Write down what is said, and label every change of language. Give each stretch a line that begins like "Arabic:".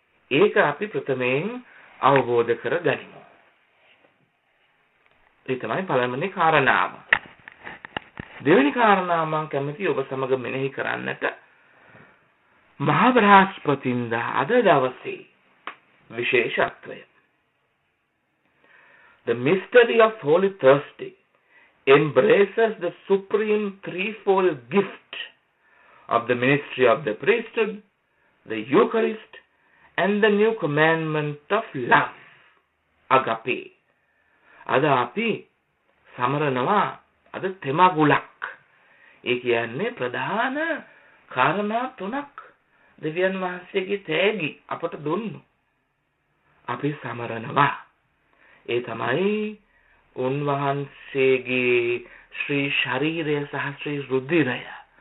Sinhala: ඒක අපි ප්‍රථමයෙන් අවබෝධ කර ගනිමු. ඒ තමයි පළවෙනි කාරණාව. දෙවෙනි කාරණාව මම කැමති ඔබ සමග මෙනෙහි කරන්නට, මහා බ්‍රහස්පතින්දා අද දවසේ විශේෂත්වය.
English: The mystery of Holy Thursday embraces the supreme threefold gift of the ministry of the priesthood, the Eucharist, and the new commandment of love, agape.
Sinhala: අද අපි සමරනවා අද තෙමගුලක්. ඒ කියන්නේ ප්‍රධාන කාරණා තුනක් දෙවියන් වහන්සේගේ තෑගි අපට දුන්නු. අපි සමරනවා. ඒ තමයි උන්වහන්සේගේ ශ්‍රී ශරීරය සහ ශ්‍රී රුධිරය.